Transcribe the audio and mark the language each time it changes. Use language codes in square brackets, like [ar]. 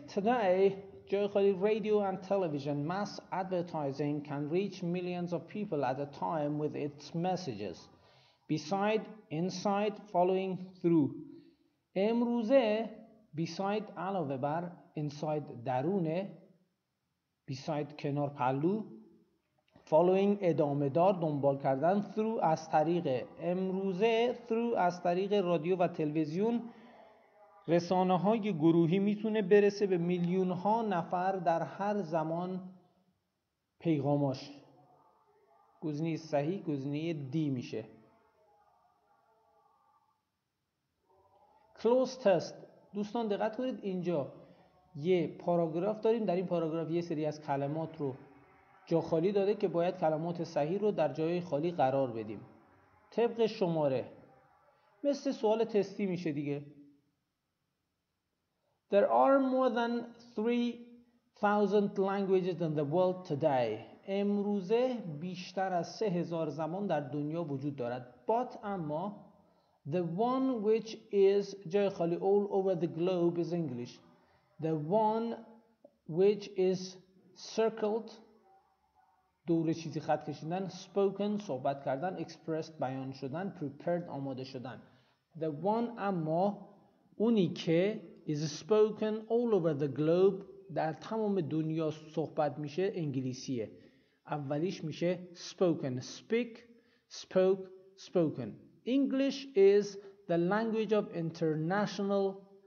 [en] Today, [fa] جای خالی [en] radio and television mass advertising can reach millions of people at a time with its messages. Beside, inside, following, through. [fa] امروزه beside علاوه بر، inside درونه، beside کنار پلو، following ادامه دار، دنبال کردن، through از طریق، امروزه through از طریق رادیو و تلویزیون، رسانه های گروهی میتونه برسه به میلیون ها نفر در هر زمان پیغاماش. گزینه صحیح گزینه دی میشه. close test، دوستان دقت کنید اینجا یه پاراگراف داریم، در این پاراگراف یه سری از کلمات رو جا خالی داده که باید کلمات صحیح رو در جای خالی قرار بدیم طبق شماره، مثل سوال تستی میشه دیگه. [en] There are more than 3000 languages in the world today. [fa] امروزه بیشتر از 3000 زبان در دنیا وجود دارد. [en] But اما، the one which is [fa] جای خالی [en] all over the globe is English. the one which is circled [fa] دور چیزی خط کشیدن [en] spoken [fa] صحبت کردن [en] expressed [fa] بیان شدن [en] prepared [fa] آماده شدن [en] the one [fa] اما اونی که [en] is spoken all over the globe [fa] در تمام دنیا صحبت میشه انگلیسیه اولیش میشه [en] spoken speak spoke spoken English is the language of international